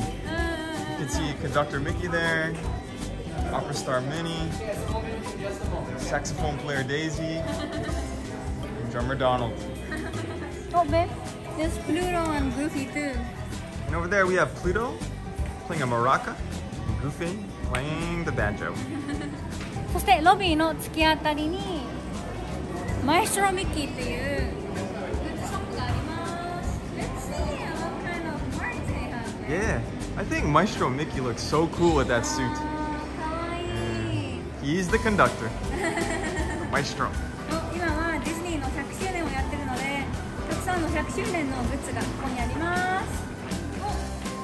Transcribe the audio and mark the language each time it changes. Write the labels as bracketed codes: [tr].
[en] You can see conductor Mickey there, opera star Minnie, saxophone player Daisy, and drummer Donald. Oh, babe, there's Pluto and Goofy too. And over there we have Pluto playing a maraca and Goofy playing the banjo. [ja] そしてロビーの突き当たりにマエストロミッキーっていうグッズショップがあります。 [en] Let's see what kind of merch they have. Yeah, I think Maestro Mickey looks so cool with that suit. [ja] かわいい。 [en] He's the conductor. Maestro. [ja] 今はディズニーの100周年をやってるので、たくさんの100周年のグッズがここにあります。